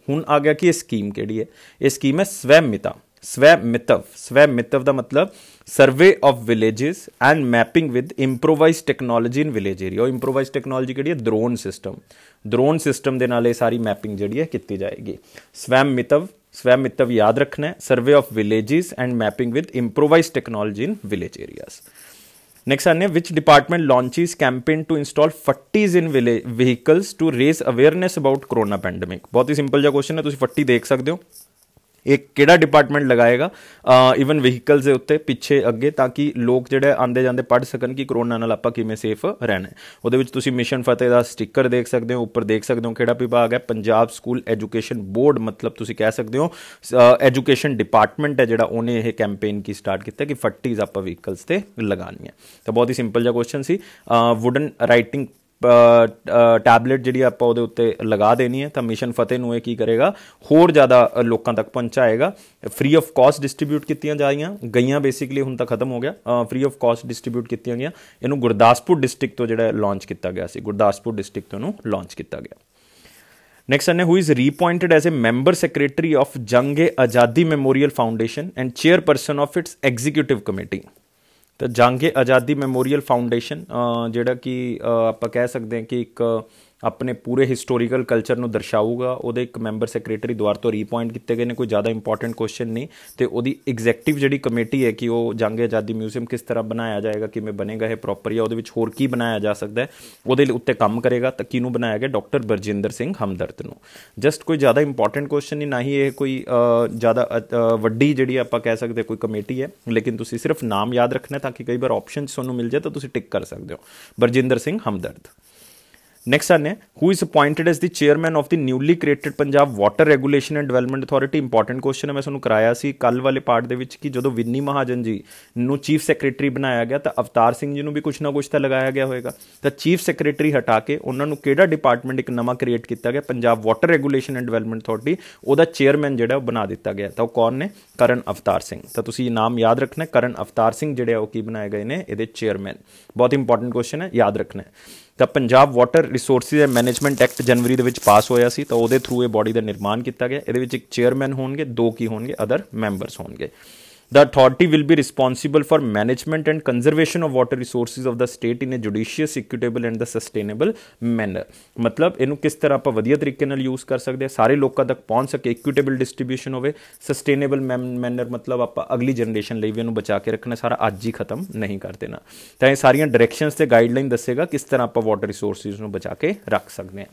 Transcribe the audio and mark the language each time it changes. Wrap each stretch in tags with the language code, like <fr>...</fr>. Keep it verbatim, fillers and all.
<pa>ਹੁਣ ਆ ਗਿਆ ਕਿ ਇਹ ਸਕੀਮ ਕਿਹੜੀ ਹੈ, ਇਹ ਸਕੀਮ ਹੈ ਸਵੈ ਮਿਤਾ ਸਵੈ ਮਿਤਵ ਸਵੈ ਮਿਤਵ ਦਾ ਮਤਲਬ</pa> <en>Survey of villages and mapping with improvise technology in village area.</en> <pa>ਉਹ ਇੰਪਰੋਵਾਈਜ਼ ਟੈਕਨੋਲੋਜੀ ਕਿਹੜੀ ਹੈ, ਡਰੋਨ ਸਿਸਟਮ। ਡਰੋਨ ਸਿਸਟਮ ਦੇ ਨਾਲ ਇਹ ਸਾਰੀ ਮੈਪਿੰਗ ਜਿਹੜੀ ਹੈ ਕੀਤੀ ਜਾਏਗੀ। ਸਵੈ ਮਿਤਵ ਸਵੈ ਮਿਤਵ ਯਾਦ ਰੱਖਣਾ,</pa> <en>Survey of villages and mapping with improvise technology in village areas. Next any which department launches campaign to install फट्टीज in village vehicles to raise awareness about corona pandemic.</en> <pa>बहुत ही सिंपल जहा क्वेश्चन है, तुसी फट्टी देख सकते हो। ਇਹ ਕਿਹੜਾ ਡਿਪਾਰਟਮੈਂਟ ਲਗਾਏਗਾ ਈਵਨ ਵਹੀਕਲਸ ਦੇ ਉੱਤੇ ਪਿੱਛੇ ਅੱਗੇ, ਤਾਂ ਕਿ ਲੋਕ ਜਿਹੜੇ ਆਉਂਦੇ ਜਾਂਦੇ ਪੜ੍ਹ ਸਕਣ ਕਿ ਕਰੋਨਾ ਨਾਲ ਆਪਾਂ ਕਿਵੇਂ ਸੇਫ ਰਹਿਣਾ। ਉਹਦੇ ਵਿੱਚ ਤੁਸੀਂ ਮਿਸ਼ਨ ਫਤਿਹ ਦਾ ਸਟਿੱਕਰ ਦੇਖ ਸਕਦੇ ਹੋ, ਉੱਪਰ ਦੇਖ ਸਕਦੇ ਹੋ ਕਿਹੜਾ ਵਿਭਾਗ ਹੈ, ਪੰਜਾਬ ਸਕੂਲ ਐਜੂਕੇਸ਼ਨ ਬੋਰਡ, ਮਤਲਬ ਤੁਸੀਂ ਕਹਿ ਸਕਦੇ ਹੋ ਐਜੂਕੇਸ਼ਨ ਡਿਪਾਰਟਮੈਂਟ ਹੈ ਜਿਹੜਾ ਉਹਨੇ ਇਹ ਕੈਂਪੇਨ ਕੀ ਸਟਾਰਟ ਕੀਤਾ ਕਿ ਫੱਟੀਜ਼ ਆਪਾਂ ਵਹੀਕਲਸ 'ਤੇ ਲਗਾਉਣੀਆਂ। ਤਾਂ ਬਹੁਤ ਹੀ ਸਿੰਪਲ ਜਿਹਾ ਕੁਐਸਚਨ ਸੀ, ਵੁਡਨ ਰਾਈਟਿੰਗ ਟੈਬਲੇਟ ਜਿਹੜੀ ਆਪਾਂ ਉਹਦੇ ਉੱਤੇ ਲਗਾ ਦੇਣੀ ਹੈ। ਤਾਂ ਮਿਸ਼ਨ ਫਤਿਹ ਨੂੰ ਇਹ ਕੀ ਕਰੇਗਾ, ਹੋਰ ਜ਼ਿਆਦਾ ਲੋਕਾਂ ਤੱਕ ਪਹੁੰਚਾਏਗਾ। ਫ੍ਰੀ ਆਫ ਕਾਸਟ ਡਿਸਟ੍ਰੀਬਿਊਟ ਕੀਤੀਆਂ ਜਾਈਆਂ ਗਈਆਂ ਬੇਸਿਕਲੀ, ਹੁਣ ਤਾਂ ਖਤਮ ਹੋ ਗਿਆ, ਫ੍ਰੀ ਆਫ ਕਾਸਟ ਡਿਸਟ੍ਰੀਬਿਊਟ ਕੀਤੀਆਂ ਗਈਆਂ। ਇਹਨੂੰ ਗੁਰਦਾਸਪੁਰ ਡਿਸਟ੍ਰਿਕਟ ਤੋਂ ਜਿਹੜਾ ਲਾਂਚ ਕੀਤਾ ਗਿਆ ਸੀ, ਗੁਰਦਾਸਪੁਰ ਡਿਸਟ੍ਰਿਕਟ ਤੋਂ ਇਹਨੂੰ ਲਾਂਚ ਕੀਤਾ ਗਿਆ।</pa> <en>Next one, who is reappointed as a member secretary of Jang-e-Azadi Memorial Foundation and chairperson of its executive committee.</en> <pa>ਤਾਂ ਜਾਂਗੇ ਆਜ਼ਾਦੀ ਮੈਮੋਰੀਅਲ ਫਾਊਂਡੇਸ਼ਨ ਜਿਹੜਾ ਕਿ ਆਪਾਂ ਕਹਿ ਸਕਦੇ ਹਾਂ ਕਿ ਇੱਕ ਆਪਣੇ ਪੂਰੇ ਹਿਸਟੋਰੀਕਲ ਕਲਚਰ ਨੂੰ ਦਰਸਾਊਗਾ। ਉਹਦੇ ਇੱਕ ਮੈਂਬਰ ਸੈਕਟਰੀ ਦੁਆਰ ਤੋਂ ਰੀਪੁਆਇੰਟ ਕੀਤੇ ਗਏ ਨੇ, ਕੋਈ ਜ਼ਿਆਦਾ ਇੰਪੋਰਟੈਂਟ ਕੁਐਸਚਨ ਨਹੀਂ। ਤੇ ਉਹਦੀ ਐਗਜ਼ੈਕਟਿਵ ਜਿਹੜੀ ਕਮੇਟੀ ਹੈ ਕਿ ਉਹ ਜੰਗ ਆਜ਼ਾਦੀ ਮਿਊਜ਼ੀਅਮ ਕਿਸ ਤਰ੍ਹਾਂ ਬਣਾਇਆ ਜਾਏਗਾ, ਕਿਵੇਂ ਬਣੇਗਾ ਇਹ ਪ੍ਰੋਪਰ, ਜਾਂ ਉਹਦੇ ਵਿੱਚ ਹੋਰ ਕੀ ਬਣਾਇਆ ਜਾ ਸਕਦਾ ਹੈ, ਉਹਦੇ ਉੱਤੇ ਕੰਮ ਕਰੇਗਾ। ਤਾਂ ਕਿਹਨੂੰ ਬਣਾਇਆ ਗਿਆ? ਡਾਕਟਰ ਬਰਜਿੰਦਰ ਸਿੰਘ ਹਮਦਰਦ ਨੂੰ। ਜਸਟ ਕੋਈ ਜ਼ਿਆਦਾ ਇੰਪੋਰਟੈਂਟ ਕੁਐਸਚਨ ਨਹੀਂ, ਨਾ ਹੀ ਇਹ ਕੋਈ ਜ਼ਿਆਦਾ ਵੱਡੀ ਜਿਹੜੀ ਆਪਾਂ ਕਹਿ ਸਕਦੇ ਕੋਈ ਕਮੇਟੀ ਹੈ, ਲੇਕਿਨ ਤੁਸੀਂ ਸਿਰਫ ਨਾਮ ਯਾਦ ਰੱਖਣਾ ਤਾਂ ਕਿ ਕਈ ਵਾਰ ਆਪਸ਼ਨ ਤੁਹਾਨੂੰ ਮਿਲ ਜਾਏ ਤਾਂ ਤੁਸੀਂ ਟਿਕ ਕਰ ਸਕਦੇ ਹੋ, ਬਰਜਿੰਦਰ ਸਿੰਘ ਹਮਦਰਦ।</pa> <en>Next one, who is appointed as the chairman of the newly created Punjab Water Regulation and Development Authority? Important question</en> <pa>ਹੈ, ਮੈਂ ਤੁਹਾਨੂੰ ਕਰਾਇਆ ਸੀ ਕੱਲ ਵਾਲੇ ਪਾਰਟ ਦੇ ਵਿੱਚ ਕਿ ਜਦੋਂ ਵਿੰਨੀ ਮਹਾਜਨ ਜੀ ਨੂੰ ਚੀਫ ਸੈਕਟਰੀ ਬਣਾਇਆ ਗਿਆ ਤਾਂ ਅਵਤਾਰ ਸਿੰਘ ਜੀ ਨੂੰ ਵੀ ਕੁਛ ਨਾ ਕੁਛ ਤਾਂ ਲਗਾਇਆ ਗਿਆ ਹੋਏਗਾ। ਤਾਂ ਚੀਫ ਸੈਕਟਰੀ ਹਟਾ ਕੇ ਉਹਨਾਂ ਨੂੰ ਕਿਹੜਾ ਡਿਪਾਰਟਮੈਂਟ ਇੱਕ ਨਵਾਂ ਕ੍ਰੀਏਟ ਕੀਤਾ ਗਿਆ, Punjab water regulation and development authority, ਉਹਦਾ ਚੇਅਰਮੈਨ ਜਿਹੜਾ ਉਹ ਬਣਾ ਦਿੱਤਾ ਗਿਆ। ਤਾਂ ਉਹ ਕੌਣ ਨੇ? ਕਰਨ ਅਵਤਾਰ ਸਿੰਘ। ਤਾਂ ਤੁਸੀਂ ਇਹ ਨਾਮ ਯਾਦ ਰੱਖਣਾ, ਕਰਨ ਅਵਤਾਰ ਸਿੰਘ ਜਿਹੜੇ ਆ ਉਹ ਕੀ ਬਣਾਏ ਗਏ ਨੇ ਇਹਦੇ ਚੇਅਰਮੈਨ। ਬਹੁਤ ਇੰਪੋਰਟੈਂਟ ਕੁਐਸਚਨ ਹੈ, ਯਾਦ ਰੱਖਣਾ। ਤਾਂ Punjab water resources and management act ਜਨਵਰੀ ਦੇ ਵਿੱਚ ਪਾਸ ਹੋਇਆ ਸੀ, ਤਾਂ ਉਹਦੇ ਥਰੂ ਇਹ ਬੋਡੀ ਦਾ ਨਿਰਮਾਣ ਕੀਤਾ ਗਿਆ। ਇਹਦੇ ਵਿੱਚ ਇੱਕ ਚੇਅਰਮੈਨ ਹੋਣਗੇ, ਦੋ ਕੀ ਹੋਣਗੇ ਅਦਰ ਮੈਂਬਰਸ ਹੋਣਗੇ।</pa> <en>The authority will be responsible for management and conservation of water resources of the state in a judicious, equitable and the sustainable manner.</en> <pa>ਮਤਲਬ ਇਹਨੂੰ ਕਿਸ ਤਰ੍ਹਾਂ ਆਪਾਂ ਵਧੀਆ ਤਰੀਕੇ ਨਾਲ ਯੂਜ਼ ਕਰ ਸਕਦੇ ਹਾਂ, ਸਾਰੇ ਲੋਕਾਂ ਤੱਕ ਪਹੁੰਚ ਸਕੇ, ਇਕੁਇਟੇਬਲ ਡਿਸਟ੍ਰੀਬਿਊਸ਼ਨ ਹੋਵੇ, ਸਸਟੇਨੇਬਲ ਮੈਨਰ ਮਤਲਬ ਆਪਾਂ ਅਗਲੀ ਜਨਰੇਸ਼ਨ ਲਈ ਵੀ ਇਹਨੂੰ ਬਚਾ ਕੇ ਰੱਖਣਾ, ਸਾਰਾ ਅੱਜ ਹੀ ਖਤਮ ਨਹੀਂ ਕਰ ਦੇਣਾ। ਤਾਂ ਇਹ ਸਾਰੀਆਂ ਡਾਇਰੈਕਸ਼ਨਸ ਤੇ ਗਾਈਡਲਾਈਨ ਦੱਸੇਗਾ ਕਿਸ ਤਰ੍ਹਾਂ ਆਪਾਂ ਵਾਟਰ ਰਿਸੋਰਸਿਜ਼ ਨੂੰ ਬਚਾ ਕੇ ਰੱਖ ਸਕਦੇ ਹਾਂ।</pa>